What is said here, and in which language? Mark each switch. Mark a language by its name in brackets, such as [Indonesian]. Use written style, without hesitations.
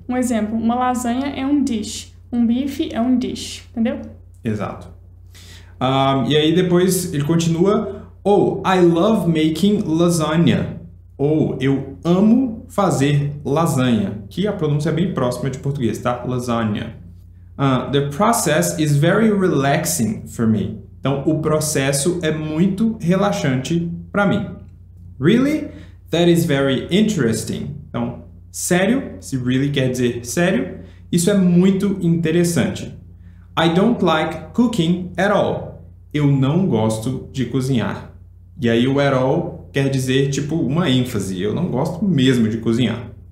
[Portuguese] Um exemplo, uma lasanha é um dish. Um bife é um dish, entendeu? Exato. E aí depois ele continua, [English] Oh, I love making lasagna. [Portuguese] Ou, eu amo fazer lasanha. Que a pronúncia é bem próxima de português, tá? [English] Lasagna. The process is very relaxing for me. [Portuguese] Então, o processo é muito relaxante para mim. [English] Really? That is very interesting. [Portuguese] Então, sério, se really quer dizer sério, isso é muito interessante. [English] I don't like cooking at all. [Portuguese] Eu não gosto de cozinhar. E aí o at all quer dizer tipo uma ênfase. Eu não gosto mesmo de cozinhar.